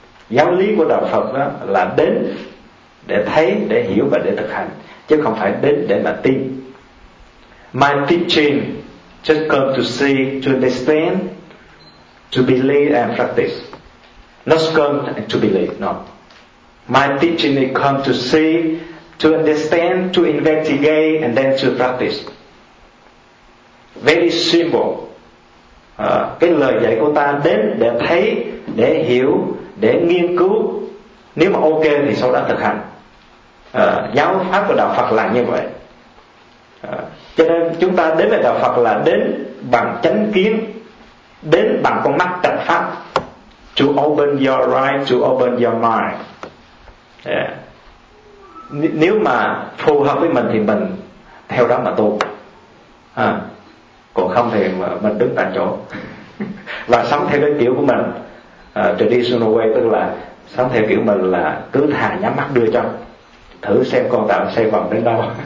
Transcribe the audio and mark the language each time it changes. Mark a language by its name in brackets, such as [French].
[Vietnamese] Giáo lý của đạo Phật đó là đến để thấy, để hiểu và để thực hành, chứ không phải đến để mà tin. [English] My teaching just come to see, to understand, to believe and practice. Not come to believe, no. My teaching is come to see, to understand, to investigate and then to practice. Very simple. [Vietnamese] Cái lời dạy của ta đến để thấy, để hiểu, để nghiên cứu. Nếu mà ok thì sau đó thực hành. Giáo pháp của đạo Phật là như vậy. Cho nên chúng ta đến với đạo Phật là đến bằng chánh kiến, đến bằng con mắt trạch pháp. [English] To open your right, to open your mind. [Vietnamese] Nếu mà phù hợp với mình thì mình theo đó mà tu. Còn không thì mình đứng tại chỗ và sống theo cái kiểu của mình, [English] traditional way, [Vietnamese] tức là sống theo kiểu mình là cứ thà nhắm mắt đưa chân thử xem con tạo xây vòng đến đâu.